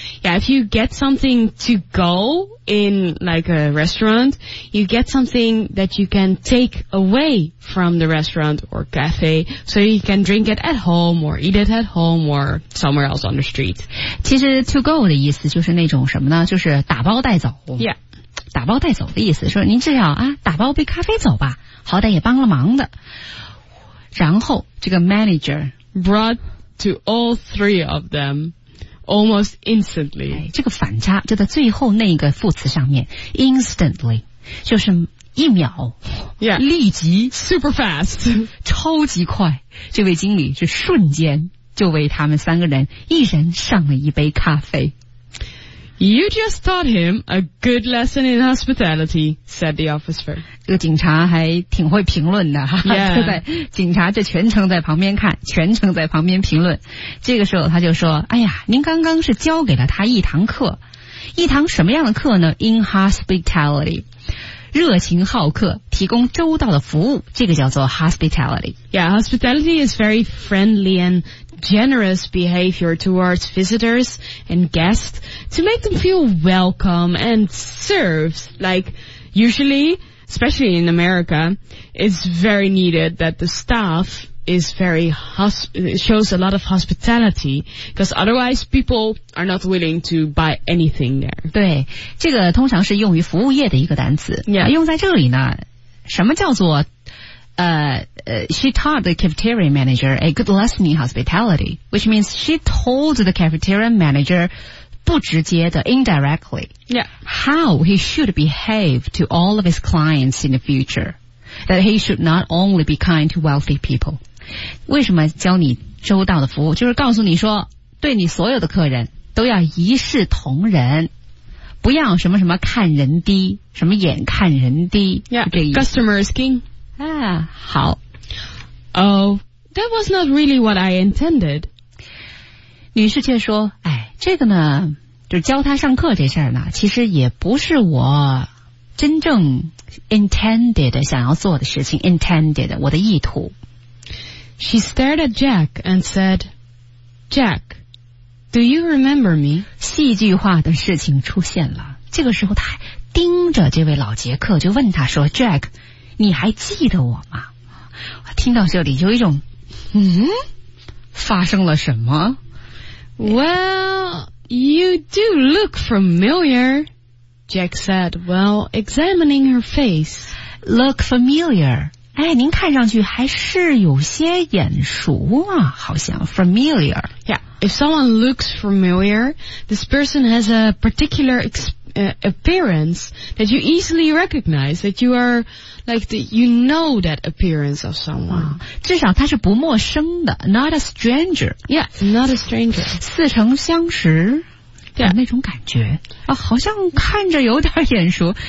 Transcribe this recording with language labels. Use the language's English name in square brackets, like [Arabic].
[English] Yeah, if you get something to go in like a restaurant, you get something that you can take away from the restaurant or cafe, so you can drink it at home or eat it at home or somewhere else on the street. [Chinese] 其实 to go 的意思就是那种什么呢？就是打包带走。 [English] Yeah. [Chinese] 打包带走的意思，说您至少啊，打包杯咖啡走吧，好歹也帮了忙的。然后这个 manager [English] brought to all three of them almost instantly、 [Chinese] 哎、这个反差就在最后那个副词上面 instantly 就是一秒 [English] yeah, [Chinese] 立即 [English] super fast [Chinese] 超级快这位经理就瞬间就为他们三个人一人上了一杯咖啡 [English] You just taught him a good lesson in hospitality said the officer [Chinese] 这个警察还挺会评论的、 [English] yeah. [Chinese] 对不对警察就全程在旁边看全程在旁边评论这个时候他就说哎呀您刚刚是教给了他一堂课一堂什么样的课呢 [English] in hospitality [Chinese] 热情好客提供周到的服务这个叫做 hospitality [English] Yeah, hospitality is very friendly and generous behavior towards visitors and guests to make them feel welcome and served like usually especially in America, it's very needed that the staff is very shows a lot of hospitality, because otherwise people are not willing to buy anything there. [Chinese] 对，这个通常是用于服务业的一个单词。 [English] Yeah. [Chinese] 用在这里呢，什么叫做 [English] she taught the cafeteria manager a good lesson in hospitality, which means she told the cafeteria manager [Chinese] 不直接的 [English] indirectly. Yeah. How he should behave to all of his clients in the future. That he should not only be kind to wealthy people. [Chinese] 为什么教你周到的服务？就是告诉你说，对你所有的客人都要一视同仁，不要什么什么看人低，什么眼看人低。 [English] Yeah, customer is king. [Chinese] 啊，好。 [English] Oh, that was not really what I intended. [Chinese] 女士却说，哎，这个呢，就是教他上课这事儿呢，其实也不是我真正 intended 想要做的事情 intended 我的意图 [English] She stared at Jack and said, Jack, do you remember me? [Chinese] 戏剧化的事情出现了。这个时候他盯着这位老杰克就问他说 Jack, 你还记得我吗？听到这里有一种发生了什么？ [English] Well, you do look familiar, Jack said while examining her face. Look familiar. [Chinese] 哎，您看上去还是有些眼熟啊，好像 familiar. [English] Yeah, if someone looks familiar, this person has a particular appearance that you easily recognize, that you are like the, you know that appearance of someone. [Chinese] 至少他是不陌生的 [English] not a stranger. Yeah, not a stranger. [Chinese] 似曾相识的、yeah. 那种感觉啊，好像看着有点眼熟。